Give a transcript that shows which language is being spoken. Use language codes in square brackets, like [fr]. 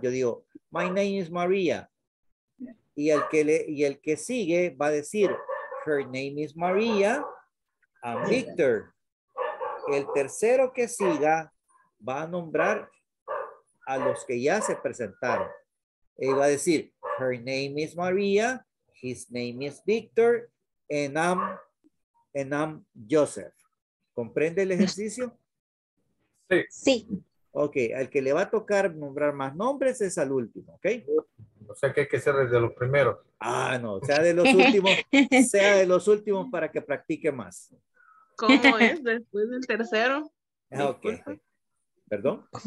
[es] Yo digo, [en] my name is Maria. [es] Y el que sigue va a decir, [en] her name is Maria, I'm Victor. [es] El tercero que siga va a nombrar a los que ya se presentaron. Y va a decir, [en] her name is Maria, his name is Victor, and I'm Joseph. [es] ¿Comprende el ejercicio? Sí. Sí. Ok, al que le va a tocar nombrar más nombres es al último, ¿ok? O sea que hay que ser de los primeros. Ah, no, sea de los últimos, sea de los últimos para que practique más. ¿Cómo es después del tercero? Ok. ¿Perdón?